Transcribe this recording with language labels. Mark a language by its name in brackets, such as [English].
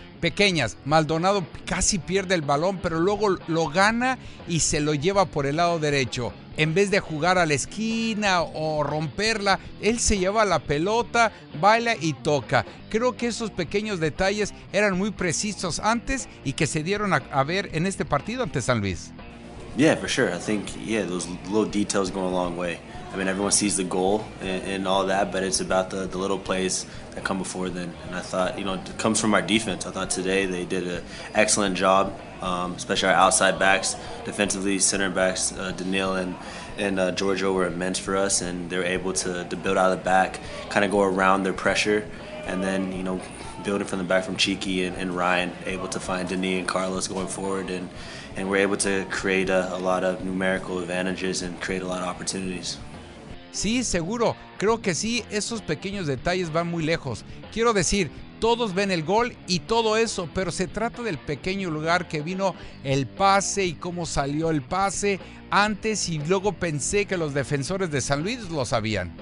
[Spanish] Pequeñas, Maldonado casi pierde el balón, pero luego lo gana y se lo lleva por el lado derecho. En vez de jugar a la esquina o romperla, él se lleva la pelota, baila y toca. Creo que esos pequeños detalles eran muy precisos antes y que se dieron a ver en este partido ante San Luis. [English] Yeah, for sure. I think, yeah, those little details go a long way. I mean, everyone sees the goal and all that, but it's about the little plays that come before then. And I thought, you know, it comes from our defense. I thought today they did an excellent job, especially our outside backs, defensively, center backs, Daniil and Giorgio were immense for us, and they were able to build out of the back, kind of go around their pressure, and then, you know, building from the back from Cheeky and Ryan, able to find Daniil and Carlos going forward, and we're able to create a lot of numerical advantages and create a lot of opportunities. [Spanish] Sí, seguro. Creo que sí, esos pequeños detalles van muy lejos. Quiero decir, todos ven el gol y todo eso, pero se trata del pequeño lugar que vino el pase y cómo salió el pase antes, y luego pensé que los defensores de San Luis lo sabían.